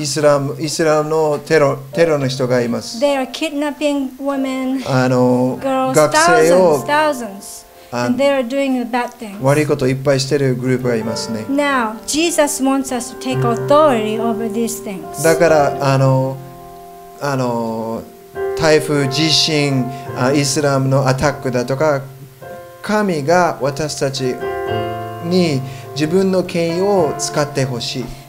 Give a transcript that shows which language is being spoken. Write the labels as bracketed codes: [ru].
[ja] イスラムのテロの人がいます。 [en] They are kidnapping women, girls, thousands. And they are doing the bad things. [ja] 悪いことをいっぱいしてるグループがいますね。 [en] Now, Jesus wants us to take authority over these things. [ja] だからあの台風、地震、イスラムのアタックだとか、神が私たちに自分の権威を使ってほしい。